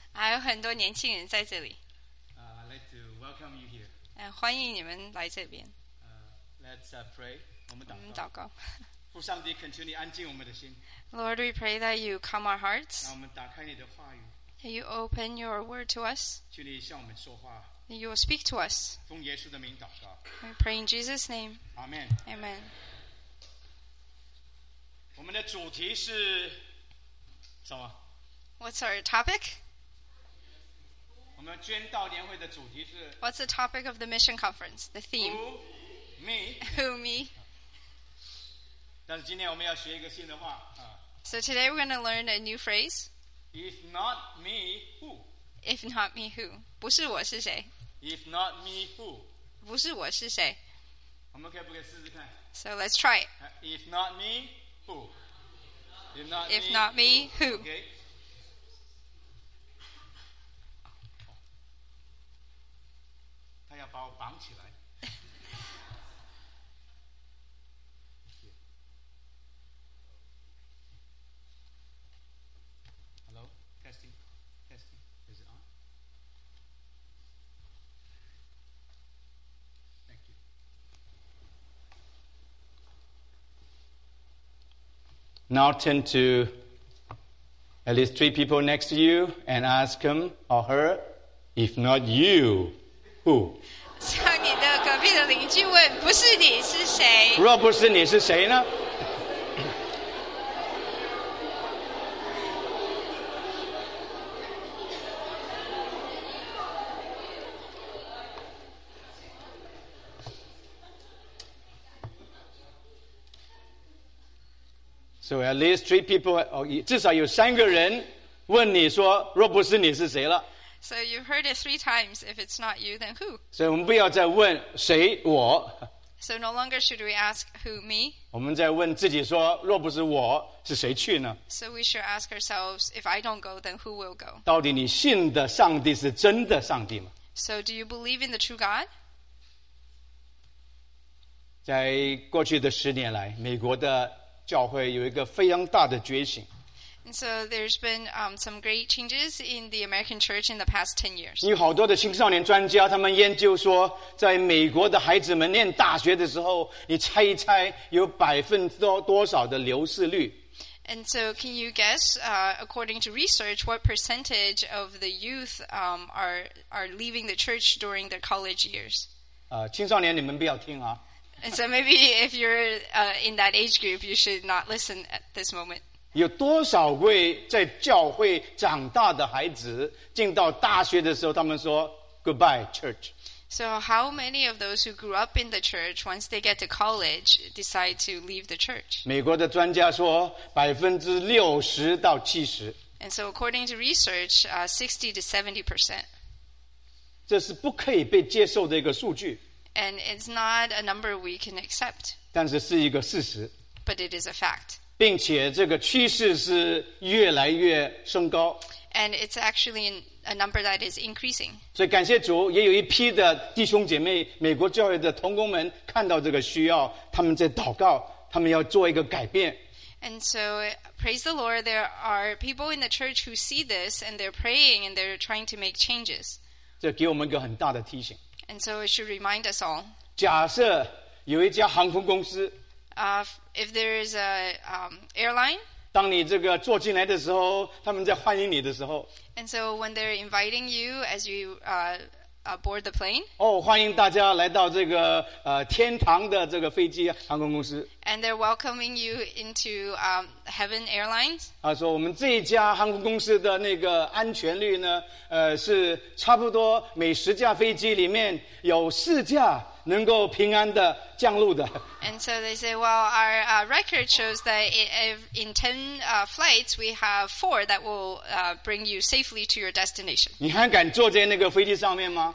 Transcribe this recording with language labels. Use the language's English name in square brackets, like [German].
[Chinese] 还有很多年轻人在这里。 [English] I'd like to welcome you here. [Chinese] 欢迎你们来这边。 [English] Let's pray. [Chinese] 我们祷告。父上帝 [English] continue [Chinese] 安静我们的心。 [English] Lord, we pray that you calm our hearts. [Chinese] 让我们打开你的话语。 [English] That you open your word to us. [Chinese] 请你向我们说话。 [English] That you will speak to us. [Chinese] 奉耶稣的名祷告。 [English] We pray in Jesus' name. Amen. Amen. [Chinese] 我们的主题是什么？ [English] What's our topic? [Chinese] 我们捐道年会的主题是 [English] What's the topic of the mission conference? The theme? Who? Me? Who? Me? [Chinese] 但是今天我们要学一个新的话。 [English] So today we're going to learn a new phrase. If not me, who? If not me, who? [Chinese] 不是我是谁？ [English] If not me, who? [Chinese] 不是我是谁？我们可以不可以试试看？ [English] So let's try it. If not me, who? If not me, who? Okay. [Chinese] 把我绑起来。 [English] Hello, testing, testing. Is it on? Thank you. Now turn to at least three people next to you and ask him or her, if not you, who? [Chinese] 向你的隔壁的邻居问：“不是你是谁？” 若不是你是谁呢？ [English] So at least three people, or [Chinese] 至少有三个人问你说：“若不是你是谁了？” [English] So you've heard it three times. If it's not you, then who? [Chinese] 所以我们不要再问谁我。 [English] So no longer should we ask who me. [Chinese] 我们在问自己说，若不是我，是谁去呢？ [English] So we should ask ourselves, if I don't go, then who will go? [Chinese] 到底你信的上帝是真的上帝吗？ [English] So do you believe in the true God? [Chinese] 在过去的十年来，美国的教会有一个非常大的觉醒。 [English] And so there's been some great changes in the American church in the past 10 years. [Chinese] 有好多的青少年专家，他们研究说，在美国的孩子们念大学的时候，你猜一猜有百分之多少的流失率？ [English] And so can you guess, according to research, what percentage of the youth are leaving the church during their college years? [Chinese] 青少年你们不要听啊。 [English] And so maybe if you're in that age group, you should not listen at this moment. [Chinese] 有多少位在教会长大的孩子进到大学的时候，他们说 [English] goodbye church. So how many of those who grew up in the church once they get to college decide to leave the church? [Chinese] 美国的专家说60%-70%。 [English] And so according to research, 60%-70%. [Chinese] 这是不可以被接受的一个数据。 [English] And it's not a number we can accept. [Chinese] 但是是一个事实。 [English] But it is a fact. [Chinese] 并且这个趋势是越来越升高。 [English] And it's actually a number that is increasing. [Chinese] 所以感谢主，也有一批的弟兄姐妹，美国教会的同工们看到这个需要，他们在祷告，他们要做一个改变。 [English] And so, praise the Lord, there are people in the church who see this and they're praying and they're trying to make changes. [Chinese] 这给我们一个很大的提醒。 [English] And so it should remind us all. [Chinese] 假设有一家航空公司 [English] If there is an airline, [Chinese] 当你这个坐进来的时候，他们在欢迎你的时候。 [English] And so when they're inviting you as you board the plane, [Chinese] 欢迎大家来到这个天堂的这个飞机航空公司。 [English] And they're welcoming you into Heaven Airlines. [Chinese] 说我们这一家航空公司的那个安全率呢，是差不多每十架飞机里面有四架。能够平安的降落的。 [English] And so they say, well, our record shows that in 10 flights, we have 4 that will bring you safely to your destination. [Chinese] 你还敢坐在那个飞机上面吗？